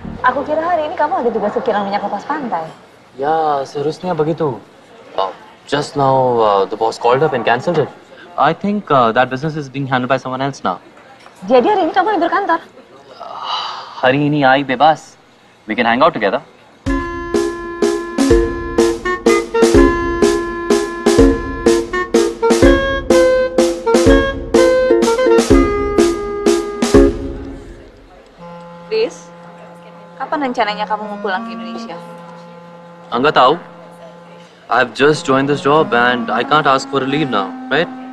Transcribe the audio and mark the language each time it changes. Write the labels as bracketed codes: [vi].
[id] Aku kira hari ini kamu ada tugas kirim minyak lepas pantai. Ya, seharusnya begitu. [en] Just now, the boss called up and cancelled it. I think that business is being handled by someone else now. [id] Jadi hari ini kamu libur kantor? Hari ini [en] I [id] bebas. [en] We can hang out together. [id] Kapan rencananya kamu mau pulang ke Indonesia? Enggak tahu. [en] I've just joined this job and I can't ask for a leave now, right?